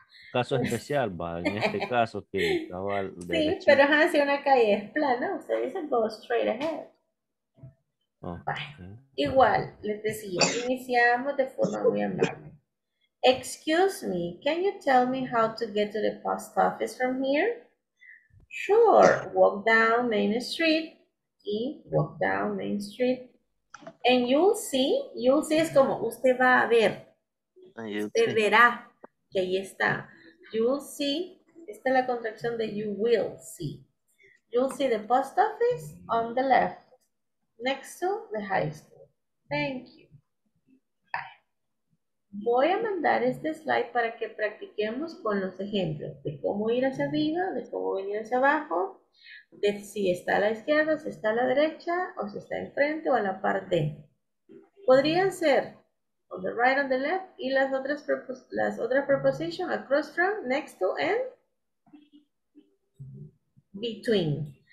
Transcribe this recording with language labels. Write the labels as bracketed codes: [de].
[es] Caso especial, va, en este caso que estaba. Sí, derecho. Pero es así, una calle es plana, usted dice [en] go straight ahead. Okay. [es] Igual, les decía, iniciamos de forma muy amable. [en] Excuse me, can you tell me how to get to the post office from here? Sure, walk down Main Street. Y walk down Main Street. And you'll see [es] es como, usted va a ver. Usted verá que ahí está. [en] You'll see, [es] esta es la contracción de [en] you will see. You'll see the post office on the left, next to the high school. Thank you. Bye. [es] Voy a mandar este slide para que practiquemos con los ejemplos de cómo ir hacia arriba, de cómo venir hacia abajo, de si está a la izquierda, si está a la derecha, o si está enfrente o a la par de. Podrían ser [en] on the right, on the left, y las otras prepositions, across from, next to, and between.